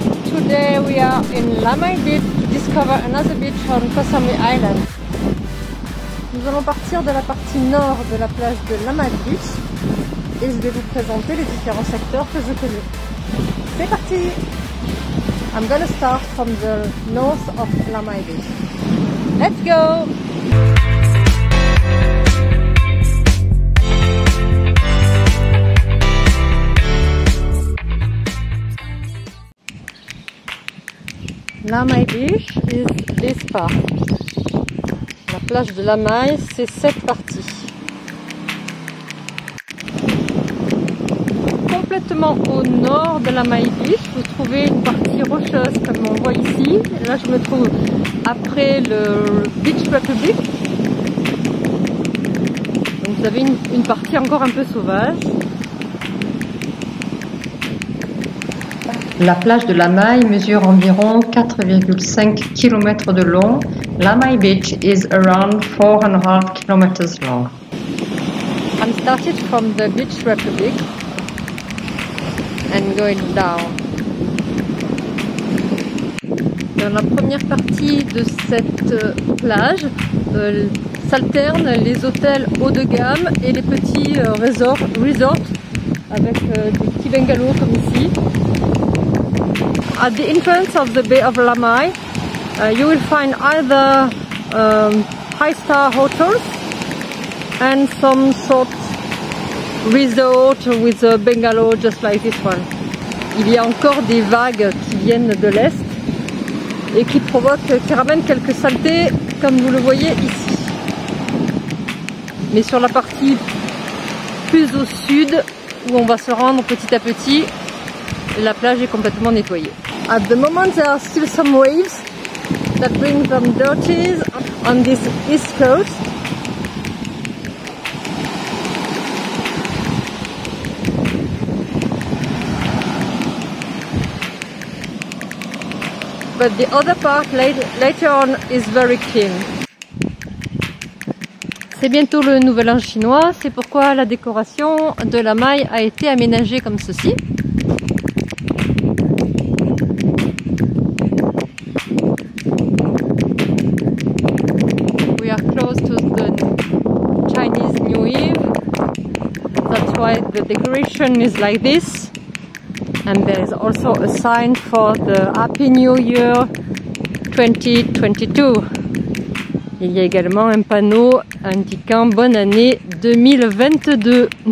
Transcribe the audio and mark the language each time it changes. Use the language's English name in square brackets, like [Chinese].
[English] Today we are in Lamai Beach to discover another beach on Koh Samui Island. [French] Nous allons partir de la partie nord de la plage de Lamai Beach et je vais vous présenter les différents secteurs que je connais. C'est parti! [English] I'm gonna start from the north of Lamai Beach. Let's go! Lamai Beach is this part. [French] La plage de Lamai, c'est cette partie. Complètement au nord de Lamai Beach, vous trouvez une partie rocheuse comme on voit ici. Là, je me trouve après le Beach Republic. Donc, vous avez une partie encore un peu sauvage. La plage de Lamai mesure environ 4,5 km de long. [English] Lamai Beach is around 4.5 km long. I'm started from the Beach Republic and going down. [French] Dans la première partie de cette plage, s'alternent les hôtels haut de gamme et les petits resorts avec des petits bungalows comme ici. [English] At the entrance of the Bay of Lamai, you will find either high-star hotels and some sort resort with a bungalow just like this one. [French] Il y a encore des vagues qui viennent de l'est et qui ramènent quelques saletés comme vous le voyez ici. Mais sur la partie plus au sud où on va se rendre petit à petit, la plage est complètement nettoyée. [English] At the moment there are still some waves that bring some dirties on this east coast. But the other part later on is very clean. [French] C'est bientôt le nouvel an chinois, c'est pourquoi la décoration de la Lamai a été aménagée comme ceci. [English] We are close to the Chinese New Year. That's why the decoration is like this. And there is also a sign for the Happy New Year 2022. [French] Il y a également un panneau indiquant Bonne Année 2022.